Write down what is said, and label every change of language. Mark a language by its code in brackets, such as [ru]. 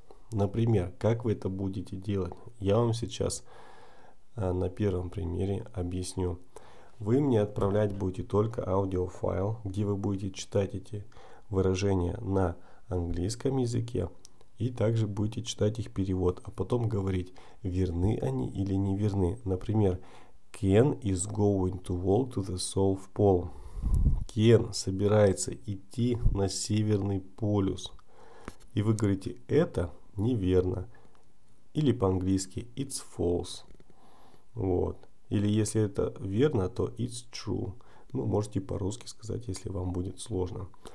[ru] Например, как вы это будете делать? Я вам сейчас на первом примере объясню. Вы мне отправлять будете только аудиофайл, где вы будете читать эти выражения на английском языке и также будете читать их перевод, а потом говорить, верны они или не верны. Например, [en] Ken is going to walk to the South Pole. [ru] Ken собирается идти на Северный полюс. И вы говорите, это неверно. Или по-английски, [en] it's false. [ru] Вот. Или если это верно, то [en] it's true. [ru] Ну, можете по-русски сказать, если вам будет сложно.